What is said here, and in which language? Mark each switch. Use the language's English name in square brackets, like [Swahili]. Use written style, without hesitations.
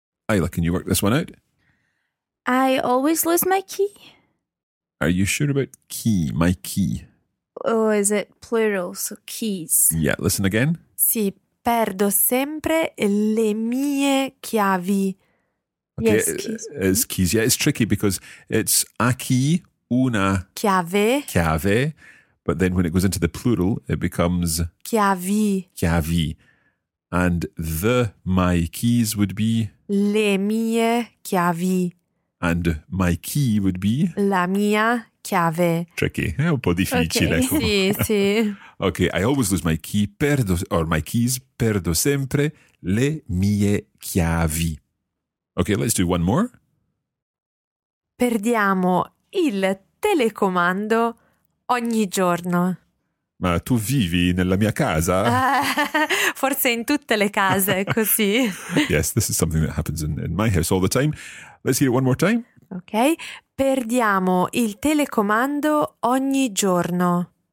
[English] Ayla, can you work this one out? I always lose my key. Are you sure about key, my key? Oh, is it plural? So keys. Yeah, listen again. [Italian] Sì. Perdo sempre le mie chiavi. [English] Okay, yes, keys. It's keys. Yeah, it's tricky because it's a key, una [Italian] chiave. Chiave. [English] But then when it goes into the plural, it becomes [Italian] chiavi. [English] Chiavi. And the my keys would be [Italian] le mie chiavi. [English] And my key would be [Italian] la mia chiave. [English] Tricky. [Italian] Un po' difficile. Okay. Sì, sì. [English] Okay, I always lose my key, perdo, or my keys, [Italian] perdo sempre le mie chiavi. [English] Okay, let's do one more. [Italian] Perdiamo il telecomando ogni giorno. Ma tu vivi nella mia casa? Forse in tutte le case, così. [English] Yes, this is something that happens in my house all the time. Let's hear it one more time. [Italian] Okay, perdiamo il telecomando ogni giorno.